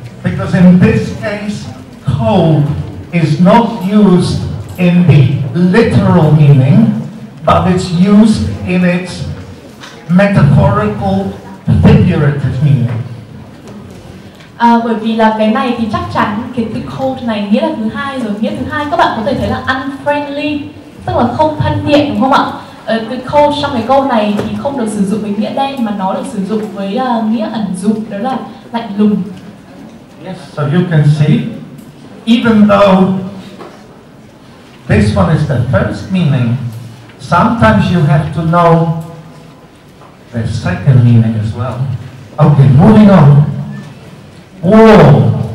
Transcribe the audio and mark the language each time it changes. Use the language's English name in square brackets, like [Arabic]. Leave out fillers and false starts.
[English] Because in this case, cold is not used in the literal meaning, but it's used in its metaphorical, figurative meaning. [Vietnamese] Bởi vì là cái này thì chắc chắn cái từ cold này nghĩa là thứ hai rồi. Nghĩa thứ hai các bạn có thể thấy là unfriendly, tức là không thân thiện đúng không ạ? Từ cold trong cái câu này thì không được sử dụng với nghĩa đen mà nó được sử dụng với nghĩa ẩn dụ, đó là lạnh lùng. [English] Yes, so you can see, even though this one is the first meaning, sometimes you have to know the second meaning as well. Okay, moving on. War.